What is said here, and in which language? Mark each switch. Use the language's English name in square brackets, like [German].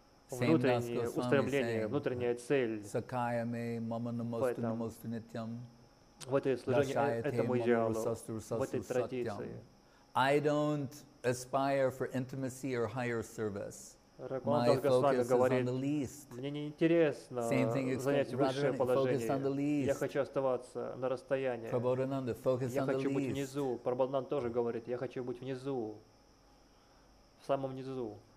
[Russian] Внутреннее устремление, внутренняя цель. [Sanskrit] Сакайаме, маманамасту, намасту нитям. [Russian] В этой служении этому идеалу, в этой традиции. [English] I don't aspire for intimacy or higher service. My focus is on the least. [Russian] Мне не интересно занять высшее положение. Я хочу оставаться на расстоянии. [English] Прабхудананда, focus on the least. [Russian] Я хочу быть внизу. Прабхудананда тоже говорит, я хочу быть внизу. В самом низу.